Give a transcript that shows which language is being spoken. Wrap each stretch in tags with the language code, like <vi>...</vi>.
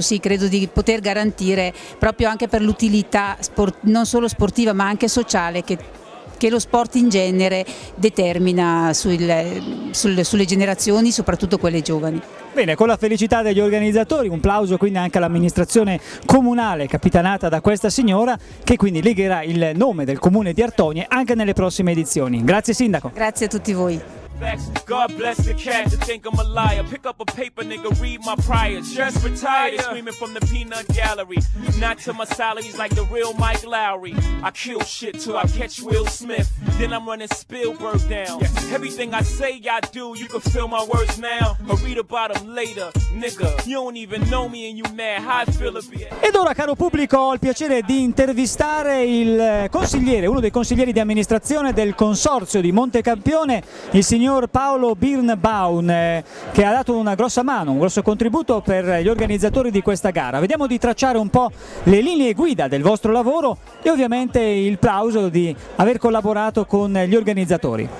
<it>Sì, credo di poter garantire, proprio anche per l'utilità non solo sportiva ma anche sociale che lo sport in genere determina sulle generazioni, soprattutto quelle giovani. Bene, con la felicità degli organizzatori, un plauso quindi anche all'amministrazione comunale capitanata da questa signora, che quindi legherà il nome del comune di Artogne anche nelle prossime edizioni. Grazie sindaco. Grazie a tutti voi.</it> <en>God bless the cat to think I'm a liar. Pick up a paper, nigga, read my priors. Just retired, screaming from the peanut gallery. Not to my salaries like the real Mike Lowry. I kill shit till I catch Will Smith. Then I'm running Spielberg down. Everything I say, I do. You can feel my words now. I'll read about them later, nigga. You don't even know me and you mad. How I feel it.</en> <it>Ed ora, caro pubblico, ho il piacere di intervistare il consigliere, uno dei consiglieri di amministrazione del consorzio di Monte Campione, il signor Paolo Birnbaum, che ha dato una grossa mano, un grosso contributo per gli organizzatori di questa gara. Vediamo di tracciare un po' le linee guida del vostro lavoro e ovviamente il plauso di aver collaborato con gli organizzatori.</it>